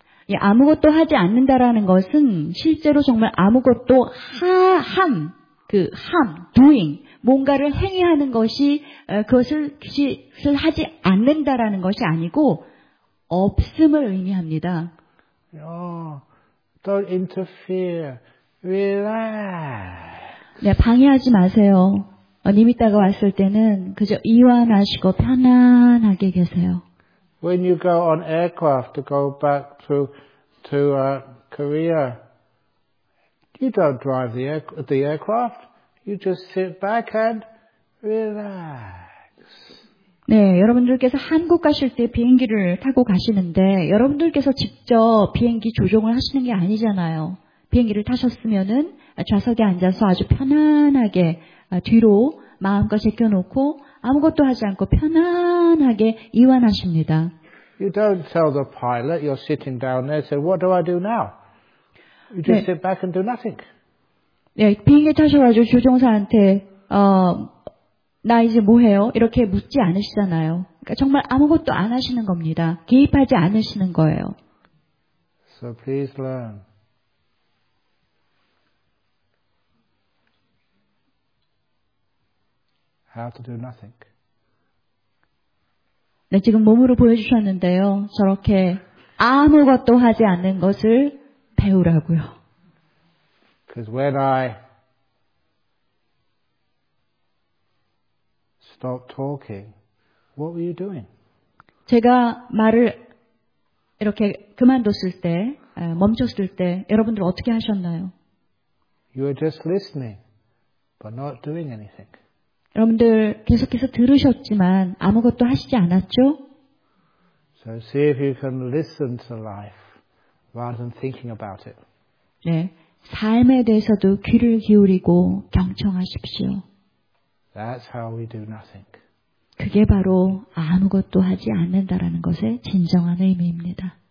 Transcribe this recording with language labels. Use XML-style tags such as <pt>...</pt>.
<ko>예, 아무것도 하지 않는다라는 것은 실제로 정말 아무것도 함, 그 함, doing, 뭔가를 행위하는 것이 그것을 하지 않는다라는 것이 아니고 없음을 의미합니다.</ko> <en>Oh, don't interfere. Relax.</en> <ko>네, 방해하지 마세요. 니미타가 왔을 때는 그저 이완하시고 편안하게 계세요.</ko> <en>When you go on aircraft to go back to Korea, you don't drive the aircraft. You just sit back and relax.</en> <ko>네, 여러분들께서 한국 가실 때 비행기를 타고 가시는데 여러분들께서 직접 비행기 조종을 하시는 게 아니잖아요. 비행기를 타셨으면은 좌석에 앉아서 아주 편안하게 뒤로 마음껏 제껴놓고 아무것도 하지 않고 편안하게 이완하십니다.</ko> <en>You don't tell the pilot you're sitting down there, say, what do I do now? You just 네. sit back and do nothing.</en> <ko>네, 비행기 타셔가지고 조종사한테 나 이제 뭐 해요? 이렇게 묻지 않으시잖아요. 그러니까 정말 아무것도 안 하시는 겁니다. 개입하지 않으시는 거예요.</ko> <en>So please learn. How to do nothing.</en> <ko>네, 지금 몸으로 보여주셨는데요. 저렇게 아무것도 하지 않는 것을 배우라고요.</ko> <en>Because when I stop talking. What were you doing?</en> <ko>제가 말을 이렇게 그만뒀을 때, 멈췄을 때, 여러분들 어떻게 하셨나요?</ko> <en>You were just listening, but not doing anything.</en> <ko>여러분들 계속해서 들으셨지만 아무것도 하시지 않았죠?</ko> <en>So see if you can listen to life rather than thinking about it.</en> <ko>네, 삶에 대해서도 귀를 기울이고 경청하십시오.</ko> <en>That's how we do nothing.</en> <ko>그게 바로 아무것도 하지 않는다라는 것의 진정한 의미입니다.</ko>